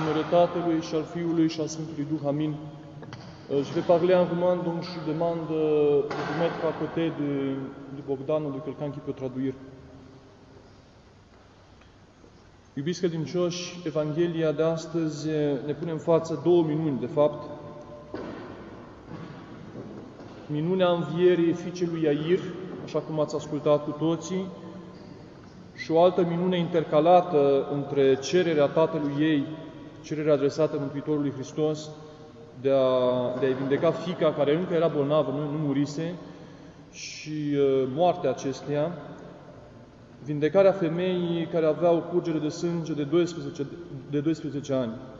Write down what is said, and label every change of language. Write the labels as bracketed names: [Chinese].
[Romanian] Tatălui și al Fiului și al Sfântului Duh, amin. [French] Je vais parler en roman, donc je demande de vous mettre à côté de Bogdan ou de quelqu'un qui peut traduire. [Romanian] Iubiți credincioși, Evanghelia de astăzi ne pune în față două minuni, de fapt. Minunea învierii fiicei lui Iair, așa cum ați ascultat cu toții, și o altă minune intercalată între cererea tatălui ei, cererea adresată Mântuitorului Hristos de a-i vindeca fiica care încă era bolnavă, nu murise, și moartea acesteia, vindecarea femeii care avea o curgere de sânge de 12 ani.